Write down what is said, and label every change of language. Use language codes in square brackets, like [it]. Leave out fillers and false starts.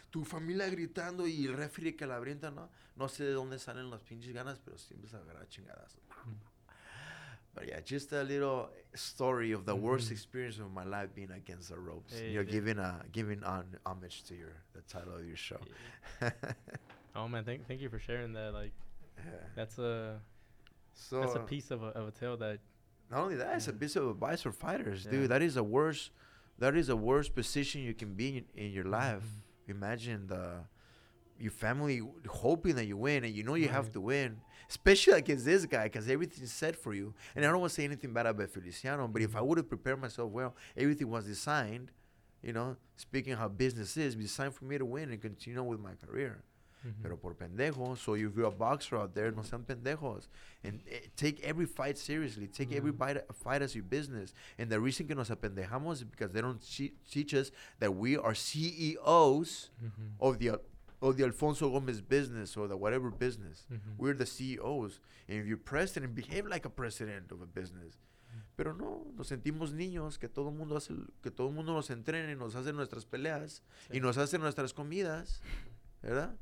[es] Tu familia gritando y el referee que la brinda, ¿no? No sé de dónde salen las pinches ganas, pero siempre se agarra chingadas. [en] But yeah, just a little story of the worst experience of my life being against the ropes. Hey, you're giving an homage to the title of your show. Yeah. Oh, man, thank you for sharing that. Like, yeah. That's a piece of a tale that... Not only that, it's a piece of advice for fighters, yeah. Dude. That is the worst position you can be in your life. Mm-hmm. Imagine your family hoping that you win, and you know you have to win. Especially against this guy, because everything's set for you. And I don't want to say anything bad about Feliciano, but if I would have prepared myself well, everything was designed, you know, speaking of how business is, designed for me to win and continue on with my career. Mm-hmm. [es] Pero por pendejo, [en] so if you're a boxer out there, [es] no sean pendejos. [en] And take every fight seriously. Take every fight as your business. And the reason [es] que nos apendejamos [en] is because they don't teach us that we are CEOs of the Alfonso Gomez business or the whatever business. Mm-hmm. We're the CEOs. And if you're president, behave like a president of a business. [es] Pero no, nos sentimos niños, que todo el mundo nos entrene, nos hace nuestras peleas, y nos hace nuestras comidas, ¿verdad?